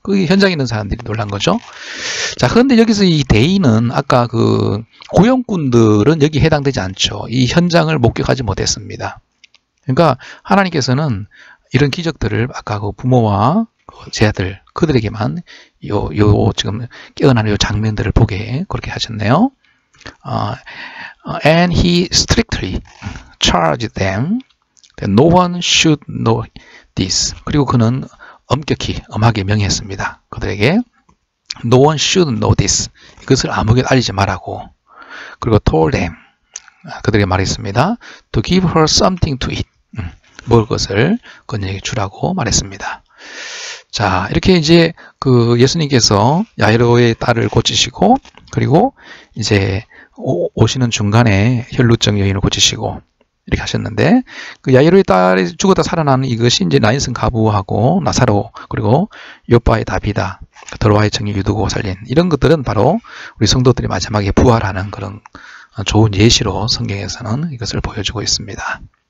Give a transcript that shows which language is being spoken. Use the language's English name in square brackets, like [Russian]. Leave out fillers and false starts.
[Korean] 그게 현장에 있는 사람들이 놀란 거죠. 자 그런데 여기서 이 [English] they [Korean] 는 아까 그 고용꾼들은 여기 해당되지 않죠. 이 현장을 목격하지 못했습니다. 그러니까 하나님께서는 이런 기적들을 아까 그 부모와 그 제자들 그들에게만 요 지금 깨어나는 요 장면들을 보게 그렇게 하셨네요. [English] And he strictly charged them that no one should know this. [Korean] 그리고 그는 엄격히 엄하게 명했습니다. 그들에게 [English] no one should know this. [Korean] 이것을 아무에게도 알리지 말라고. [English] 그리고 told them [Korean] 그들에게 말했습니다. [English] To give her something to eat. [Korean] 먹을 것을 그녀에게 주라고 말했습니다. 자, 이렇게 이제 그 예수님께서 야이로의 딸을 고치시고 그리고 이제 오시는 중간에 혈루증 여인을 고치시고 이렇게 하셨는데 그 야이로의 딸이 죽었다 살아나는 이것이 이제 나인성 가부하고 나사로 그리고 요빠의 다비다 더로와의 정의 유두고 살린 이런 것들은 바로 우리 성도들이 마지막에 부활하는 그런 좋은 예시로 성경에서는 이것을 보여주고 있습니다.